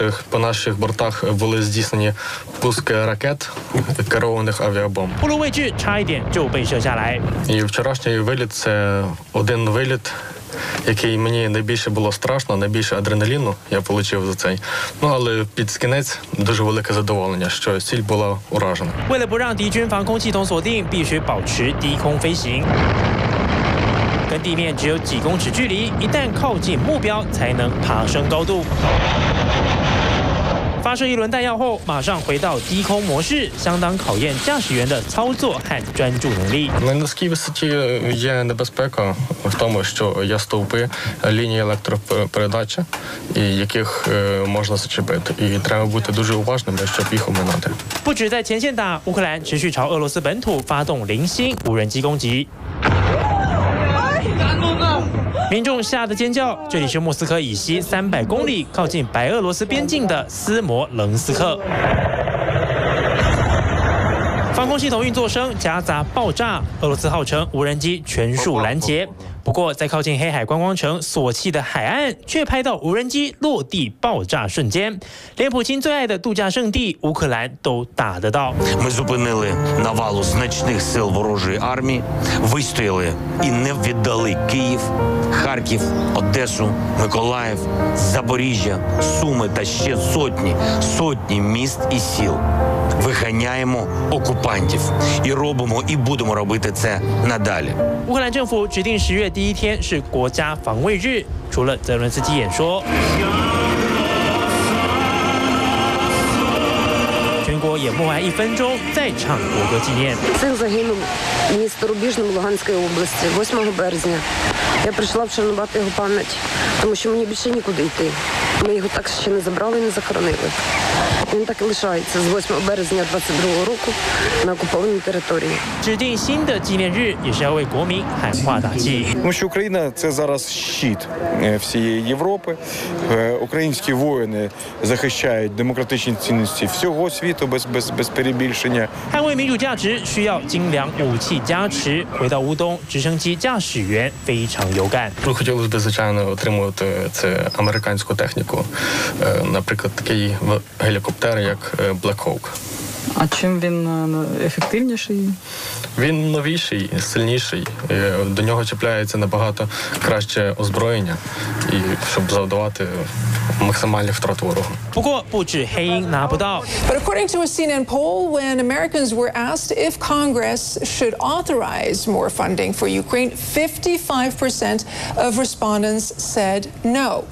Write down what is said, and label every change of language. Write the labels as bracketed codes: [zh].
[uk] По наших бортах були здійснені пуски ракет керованих авіабомб. [zh] 暴露位置差一点就被射下来。 [uk] І вчорашній виліт це один виліт. Який мені найбільше було страшно, найбільше адреналіну я отримав за це. Ну, але під кінець дуже велике задоволення, що ціль була уражена. [zh] 为了不让敌军防空系统锁定，必须保持低空飞行。跟地面只有几公尺距离，一旦靠近目标才能爬升高度。发射一轮弹药后，马上回到低空模式，相当考验驾驶员的操作和专注能力。 [uk] На низькій висоті є небезпека в тому, що є стовпи лінії електропередачі, яких можна зачепити, і треба бути дуже уважним, щоб їх оминати. [zh] 不止在前线打，乌克兰持续朝俄罗斯本土发动零星无人机攻击。民众吓得尖叫，这里是莫斯科以西300公里靠近白俄罗斯边境的斯摩棱斯克。防空系统运作声夹杂爆炸，俄罗斯号称无人机全数拦截。不过在靠近黑海观光城索契的海岸，却拍到无人机落地爆炸瞬间，连普京最爱的度假胜地乌克兰都打得到。 [uk] Ми зупинили навалу значних сил ворожої армії, вистояли і не віддали Київ, Харків, Одесу, Миколаїв, Запоріжжя, Суми та ще сотні міст і сіл. Виганяємо окупантів і робимо і будемо робити це надалі. [zh] 乌克兰政府决定10月第一天是国家防卫日，除了泽伦斯基演说。也默哀一分钟，再唱国歌纪念。 [uk] цих загинув міст Рубіжному Луганської області 8 березня. Я прийшла вшанувати його пам'ять, тому що мені більше нікуди йти. Ми його так ще не забрали, не захоронили. Він так і лишається з 8 березня 22 року на окупованій території. [zh] 指定新的纪念日也是要为国民喊话打气。 [uk] Тому що Україна це зараз щит всієї Європи. Українські воїни захищають демократичні цінності всього світу. Без перебільшення. [zh] 捍卫民主价值需要精良武器加持。回到乌东，直升机驾驶员非常有感。 [uk] 我хотілося б, звичайно, отримувати це американську техніку, наприклад, такий гелікоптер, як Black Hawk. А чим він ефективніший? Він новіший, сильніший. До нього чіпляється набагато краще озброєння, і щоб завдавати максимальні втрат ворогу. [zh] 不过不止黑鹰拿不到。 [en] But according to a CNN poll, when Americans were asked if Congress should authorize more funding for Ukraine, 55% of respondents said no.